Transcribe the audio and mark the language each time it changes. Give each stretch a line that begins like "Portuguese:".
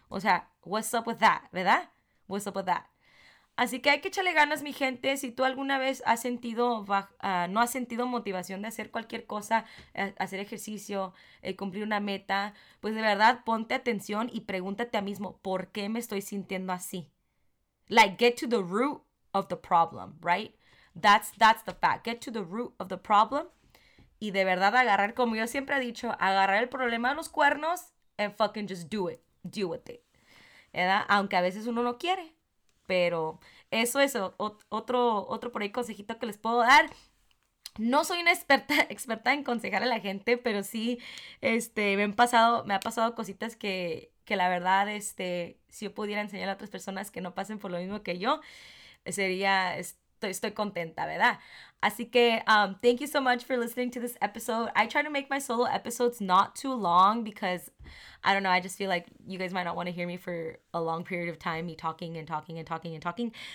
Spanish: O sea,
English: what's up with that,
Spanish: ¿verdad?
English: What's up with that?
Spanish: Así que hay que echarle ganas, mi gente. Si tú alguna vez has sentido, no has sentido motivación de hacer cualquier cosa, hacer ejercicio, cumplir una meta, pues de verdad ponte atención y pregúntate a mismo, ¿por qué me estoy sintiendo así?
English: Like, get to the root of the problem, right? That's the fact. Get to the root of the problem.
Spanish: Y de verdad agarrar, como yo siempre he dicho, agarrar el problema de los cuernos
English: and fucking just do it. Deal with it.
Spanish: ¿Verdad? Aunque a veces uno no quiere, pero eso es otro por ahí consejito que les puedo dar. No soy una experta en aconsejar a la gente, pero sí, me ha pasado cositas que la verdad, si yo pudiera enseñar a otras personas que no pasen por lo mismo que yo, estoy contenta, ¿verdad? Así que,
English: thank you so much for listening to this episode. I try to make my solo episodes not too long because, I don't know, I just feel like you guys might not want to hear me for a long period of time, me talking and talking and talking and talking.